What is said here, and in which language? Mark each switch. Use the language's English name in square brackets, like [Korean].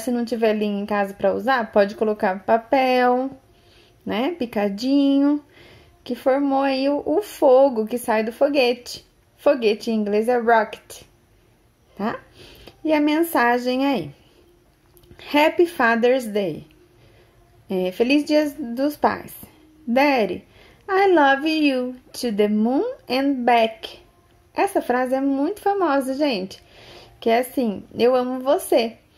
[Portuguese] Se não tiver linha em casa para usar, pode colocar papel, né? Picadinho. Que formou aí o fogo que sai do foguete. Foguete em inglês é rocket, tá? E a mensagem aí: [English] Happy Father's Day. [Portuguese] É, feliz dia dos pais. [English] Daddy, I love you to the moon and back. [Portuguese] Essa frase é muito famosa, gente. Que é assim: eu amo você.